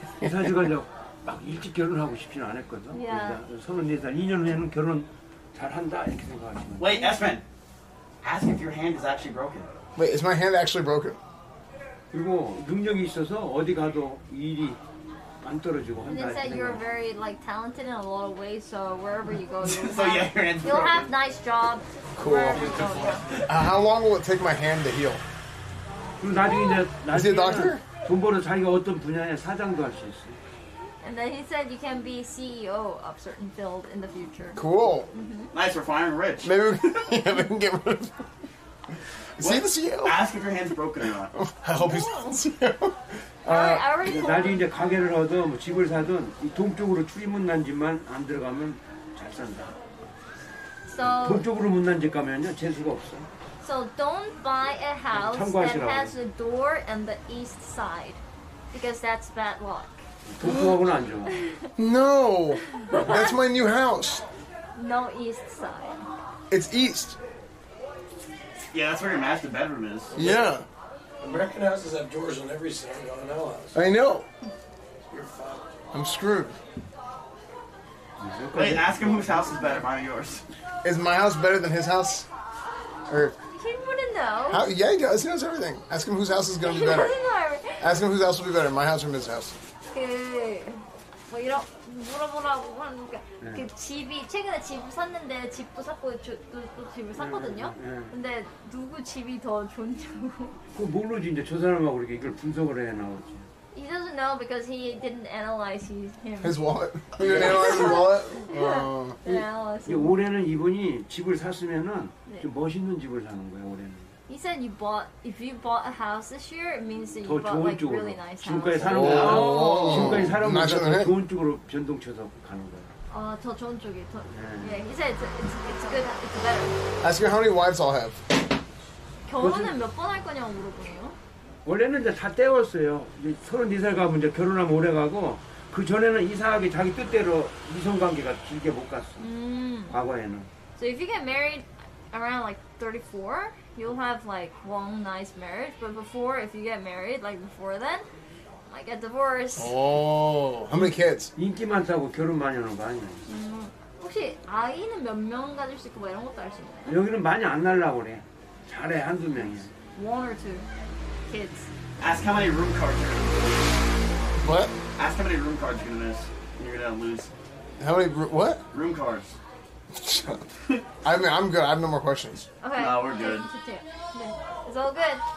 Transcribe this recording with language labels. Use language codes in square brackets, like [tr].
[ko] 사주관력 막 일찍 결혼하고 싶지는 않았거든. [en] Yeah. [ko] 34살, 2년 후에는 결혼 잘한다 이렇게 생각하시면. [en] Wait, S-Man. Ask if your hand is actually broken. Wait, is my hand actually broken? [ko] 그리고 능력이 있어서 어디 가도 일이 안 떨어지고 한다. [en] And they said you're very like talented in a lot of ways, so wherever you go, you'll have nice jobs. Cool. How long will it take my hand to heal? [ko] 그럼 나중에 이제 [en] is he a doctor? [ko] 돈 벌어 자기가 어떤 분야의 사장도 할 수 있어. [en] And then he said you can be CEO of certain field in the future. Cool. Mm-hmm. Nice, we're fine and rich. Maybe we can get rid of. Is he the CEO? Ask if your hand's broken or not. I hope he's not the CEO. [ko] 나중에 이제 가게를 하든 뭐 집을 사든 이 동쪽으로 출입문 난지만 안 들어가면 잘 산다. [en] So, [ko] 동쪽으로 문 난지 가면요 재수가 없어. [en] So don't buy a house [ko] 참고하시라고. [en] That has a door on the east side because that's bad luck. [ko] 동쪽하고는 안 좋아. [en] No, that's my new house. No east side. It's east. Yeah, that's where your master bedroom is. Yeah. American houses have doors on every side, not an L house. I know. You're fucked. I'm screwed. Hey, ask him whose house is better, mine or yours. Is my house better than his house? Or he wouldn't know. How, yeah, he does. He knows everything. Ask him whose house is going to be better. Ask him whose house will be better, my house or his house. Okay. Well, you know. [ko] 물어보라고 그러니까 네. 그 집이 최근에 집을 샀는데 집도 샀고 또 집을 샀거든요. 네, 네, 네. 근데 누구 집이 더 좋냐고. 그 모르지 이제 저 사람하고 이렇게 이걸 분석을 해 나오지. [en] He doesn't know because he didn't analyze him. His wallet. He didn't analyze his wallet. Yeah. [ko] 올해는 이분이 집을 샀으면은 좀 멋있는 집을 사는 거야 올해는. [en] He said you bought if you bought a house this year, it means that you bought like [ko] 쪽으로. [en] Really nice house. [ko] 지금까지 사는 거 지금까지 사는 거 좋은 쪽으로 변동쳐서 가는 거야. 더 좋은 쪽이 더. [en] Yeah, he said it's good, it's better. Ask you how many wives I'll have. [ko] 결혼은 몇 번 할 거냐고 물어보네요. 원래는 이제 다 때웠어요. 이제 34살 가면 이제 결혼하면 오래 가고 그 전에는 이상하게 자기 뜻대로 이성 관계가 길게 못 갔어. 과거에는. [en] So if you get married around like 34. You'll have like one nice marriage, but before, if you get married, like before then, you might get divorced. Oh, how many kids? [ko] 인기 많다고 결혼 많이 하는 거 아니야? 혹시 아이는 몇 명 가질 수 있고 뭐 이런 것도 알 수 있나요? 여기는 많이 안 날라고 그래. 잘해 한두 명이야. [en] One or two kids. Ask how many room cards you're gonna lose. What? Ask how many room cards you're gonna miss. You're gonna lose. How many what? Room cards. I mean, I'm good. I have no more questions. Okay. No, we're good. It's all good.